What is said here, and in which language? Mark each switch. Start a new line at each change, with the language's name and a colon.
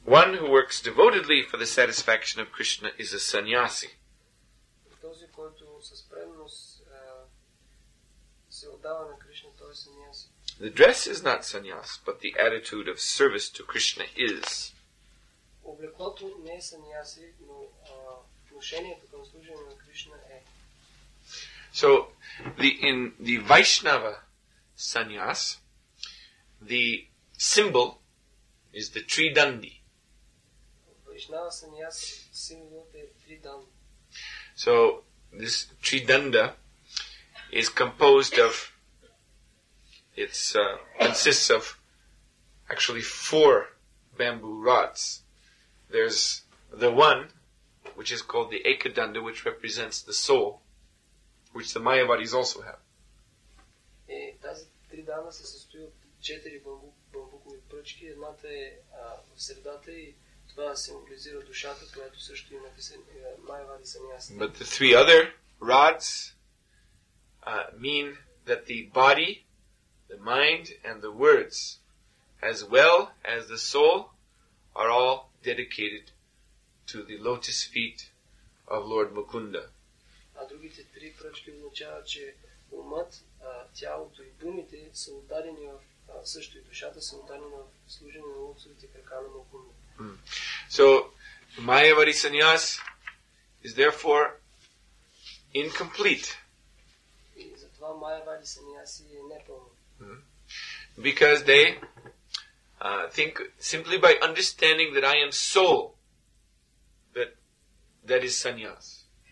English: One who works devotedly for the satisfaction of Krishna is a sannyasi.
Bulgarian: Този, който със преданост се отдава на Кришна, той е саньяси.
English: The dress is not sannyas, but the attitude of service to Krishna is.
Bulgarian: Облеклото не е саньяси, но отношението към служение на Кришна е.
English: So, in the Vaishnava sannyas, the symbol is the tridandi. Vaishnava sannyas symbol is tridandi. So, this tridanda is composed of consists of actually four bamboo rods. There's the one, which is called the Ekadanda, which represents the soul, which the Mayavadis also have.
Bulgarian: Тази три данда се състои от четири бамбукови пръчки. Едната е в средата и това символизира душата, която също има Mayavadi sannyasi.
English: But the three other rods mean that the body, the mind and the words, as well as the soul, are all dedicated to the lotus feet of Lord Mukunda.
Bulgarian: А другите три пръчки означават, че умът, тялото и думите са отдадени в също и душата са отдадени в служение на лотосовите крака на Мукунда.
English: So, Mayavadi sannyas is therefore incomplete.
Bulgarian: И затова Mayavadi sannyasi е непълно.
English: Because they think simply by understanding that I am soul, that is sannyas.